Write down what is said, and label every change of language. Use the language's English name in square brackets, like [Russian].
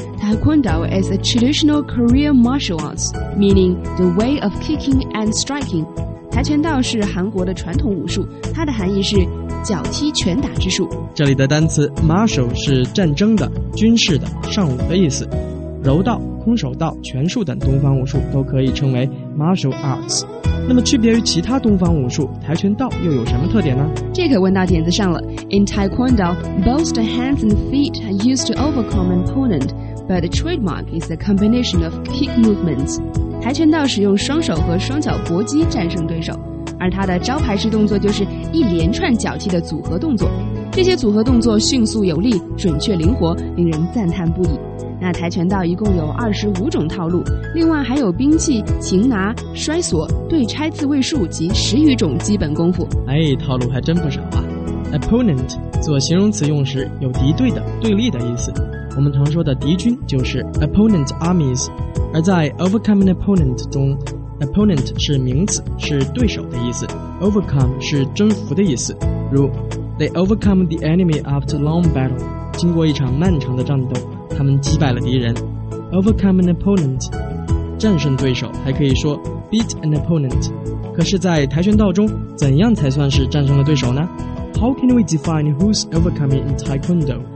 [English] Taekwondo is a traditional Korean martial arts, meaning the way of kicking and striking. [Chinese] 跆拳道是韩国的传统武术，它的含义是脚踢拳打之术。这里的单词 martial 是战争的、军事的、尚武的意思。柔道、空手道、拳术等东方武术都可以称为 martial arts。那么区别于其他东方武术，跆拳道又有什么特点呢？这可问到点子上了。 [English] In Taekwondo, both the hands and feet are used to overcome an opponent. But the trademark is the combination of kick movements. [Chinese] 跆拳道使用双手和双脚搏击战胜对手，而它的招牌式动作就是一连串脚踢的组合动作。这些组合动作迅速有力，准确灵活，令人赞叹不已。那跆拳道一共有25种套路，另外还有兵器、擒拿、摔锁、对拆、自卫术及10余种基本功夫。哎，套路还真不少啊。Opponent 做形容词用时有敌对的、对立的意思。我们常说的敌军就是 [English] opponent armies， [Chinese] 而在 [English] overcome an opponent [Chinese] 中， opponent 是名词，是对手的意思， overcome 是征服的意思，如 [English] they overcome the enemy after long battle， [Chinese] 经过一场漫长的战斗，他们击败了敌人。 [English] overcome an opponent [Chinese] 战胜对手还可以说 [English] beat an opponent。 [Chinese] 可是在跆拳道中，怎样才算是战胜了对手呢？ [English] How can we define who's overcoming in Taekwondo?